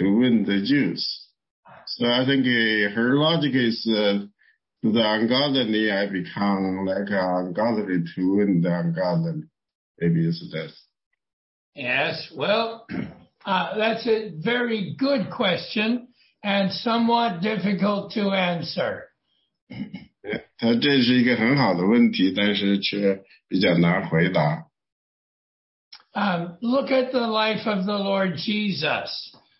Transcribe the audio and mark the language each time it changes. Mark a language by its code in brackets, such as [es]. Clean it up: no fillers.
[en] to win the Jews. So I think her logic is the ungodly, I become like ungodly to win the ungodly. Maybe it's this. Yes, well, that's a very good question and somewhat difficult to answer. [zh] 它这是一个很好的问题, 但是却比较难回答。 [en] Look at the life of the Lord Jesus.